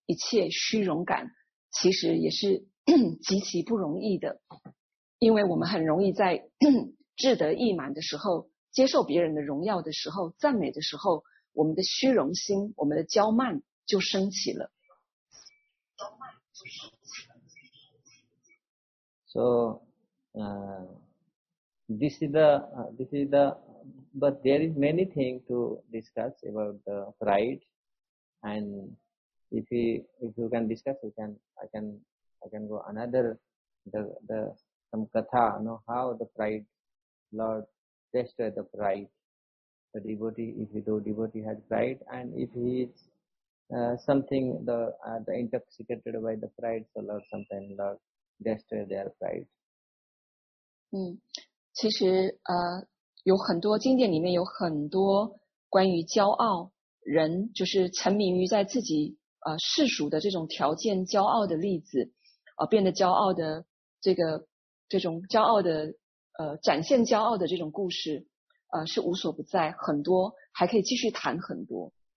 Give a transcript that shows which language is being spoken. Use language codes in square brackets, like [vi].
[zh] 一切虚荣感其实也是极其不容易的，因为我们很容易在志得意满的时候，接受别人的荣耀的时候，赞美的时候，我们的虚荣心，我们的骄慢就升起了。 [en] So but there is many things to discuss about the pride, and if you can discuss, I can go another the some katha, you know, how the pride Lord destroy the pride. The devotee, if the devotee has pride, and if he is something intoxicated by the pride, so Lord sometimes Lord destroy their pride. [zh] 其实有很多经典里面有很多关于骄傲，人就是沉迷于在自己世俗的这种条件骄傲的例子，变得骄傲的这个这种骄傲的展现骄傲的这种故事，是无所不在，很多还可以继续谈很多。